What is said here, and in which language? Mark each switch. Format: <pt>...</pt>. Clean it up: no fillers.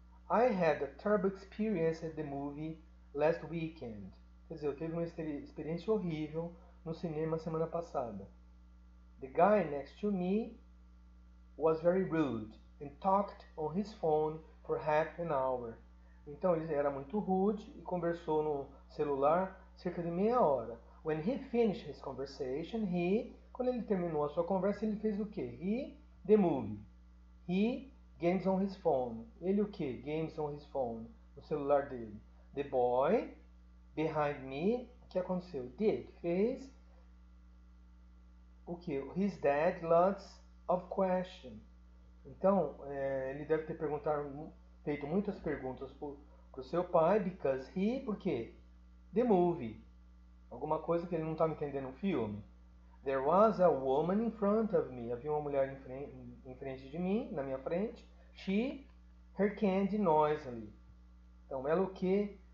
<en>I had a terrible experience at the movie last weekend.</en> <pt>Quer dizer, eu tive uma experiência horrível no cinema semana passada.</pt> <en>The guy next to me was very rude and talked on his phone for half an hour.</en> <pt>Então, ele era muito rude e conversou no celular cerca de meia hora.</pt> <en>When he finished his conversation, he...</en> <pt>Quando ele terminou a sua conversa, ele fez o quê?</pt> <en>He... The movie. He... Games on his phone.</en> <pt>Ele o quê?</pt> <en>Games on his phone.</en> <pt>O celular dele.</pt> <en>The boy... Behind me.</en> <pt>O que aconteceu?</pt> <en>Did.</en> <pt>Fez... O quê?</pt> <en>His dad lots of questions.</en> <pt>Então, ele deve ter feito muitas perguntas pro seu pai,</pt> <en>because he,</en> <pt>por quê?</pt> <en>The movie.</en> <pt>Alguma coisa que ele não estava entendendo no filme.</pt> <en>There was a woman in front of me.</en> <pt>Havia uma mulher em frente de mim, na minha frente.</pt> <en>She, her candy noisily.</en> <pt>Então, ela o quê?</pt>